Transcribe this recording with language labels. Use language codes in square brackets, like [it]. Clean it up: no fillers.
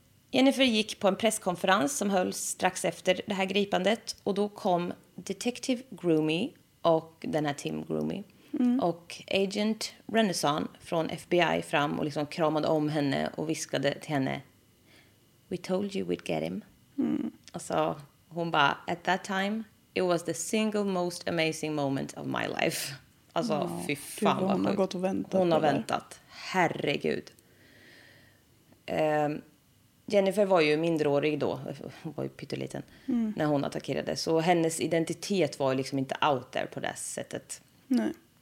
[sv] Jennifer gick på en presskonferens som hölls strax efter det här gripandet. Och då kom Detective Groomy och den här Tim Groomy och Agent Renaissance från FBI fram och liksom kramade om henne och viskade till henne, [en] we told you we'd get him. [sv] Mm. Och så hon bara, [en] at that time it was the single most amazing moment of my life. [sv] Alltså ja, fy fan gud, hon har gått och väntat. Hon har väntat. Herregud. Jennifer var ju mindreårig då, hon var ju pytteliten, när hon attackerade. Så hennes identitet var ju liksom inte [en] out there [sv] på det sättet. Nej.